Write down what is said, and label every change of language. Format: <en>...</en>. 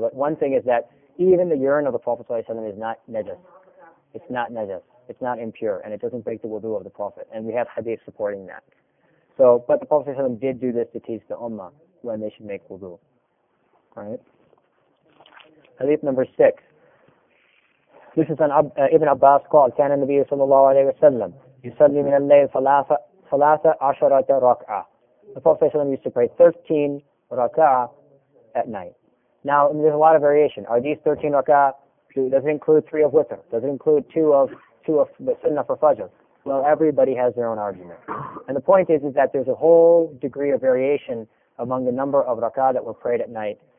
<en>But one thing is that even the urine of the Prophet is not najas. It's not najas. It's not impure. And it doesn't break the wudu of the Prophet. And we have hadith supporting that. So, but the Prophet did do this to teach the ummah when they should make wudu. Right? Hadith number 6. This is an Ibn Abbas called,</en> <ar>كَانَ النَّبِيُّ صَلَّى اللَّهُ عَلَيْهِ وَسَلَّمُ يُسَلِّي مِنَ اللَّيْلِ ثَلَاثَ عَشَرَةَ رَكْعَةَ.</ar> <en>The Prophet used to pray 13 rak'ah at night. Now, there's a lot of variation. Are these 13 rak'ah, does it include 3 of witr? Does it include 2 of sunnah for fajr? Well, everybody has their own argument. And the point is that there's a whole degree of variation among the number of rak'ah that were prayed at night.</en>